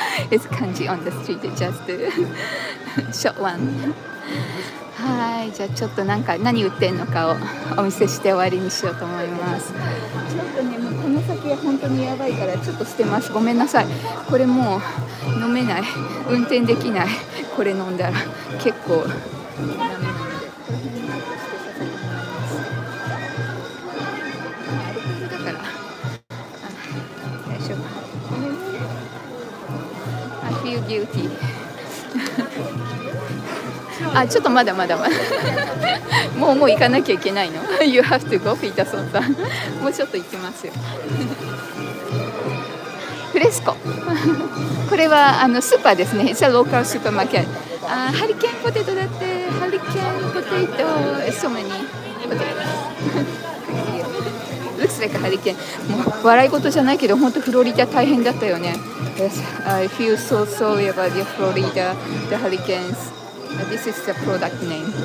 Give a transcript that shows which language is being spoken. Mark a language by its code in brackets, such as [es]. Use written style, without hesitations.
[en] it's 漢字 on the street just a short one。 [ja] はい、じゃあちょっとなんか何売ってんのかをお見せして終わりにしようと思います。ちょっとね、もうこの先は本当にやばいからちょっと捨てます、ごめんなさい。これもう飲めない、運転できない。これ飲んだら結構飲めないので、この辺はちょっと捨てさせてもらいます。だから大丈夫。 [en] I feel guilty。 [ja] あ、ちょっとまだもう行かなきゃいけないの。 [en] You have to go, ピーターソンさん。 [ja] もうちょっと行きますよ。フレスコ、これはあのスーパーですね。 [en] It's a local supermarket。 [ja] あ、ハリケーンポテトだって。 [en] ハリケーンポテト、 So many potatoes。Looks like a hurricane。 [ja] もう笑い事じゃないけど、本当フロリダ大変だったよね。 [en] Yes, I feel so sorry about the Florida, the hurricanesThis is the product name.